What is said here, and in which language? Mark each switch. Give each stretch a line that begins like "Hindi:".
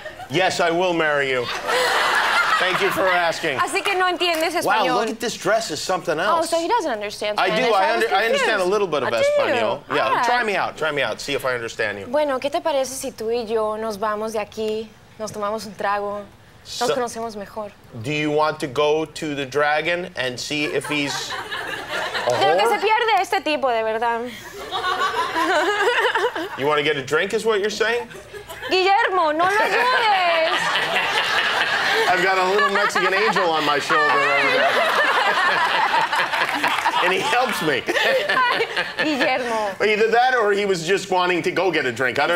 English: Yes, I will marry you. Thank you for asking.
Spanish: Así que no entiendes español.
English: Wow, look at this dress. It's something else. Oh, so he doesn't understand. I do. I understand a little bit of español. Yeah, right. Try me out. Try me out. See if I understand you.
Spanish: Bueno, ¿qué te parece si tú y yo nos vamos de aquí, nos tomamos un trago, nos conocemos mejor?
English: Do you want to go to the dragon and see if he's a whore?
Spanish: De lo que se pierde este tipo, de verdad.
English: You want to get a drink, is what you're saying?
Spanish: Guillermo, no lo ayudes.
English: I've got a little Mexican angel on my shoulder over there. And he helps me. Guillermo. Either that or he was just wanting to go get a drink. I don't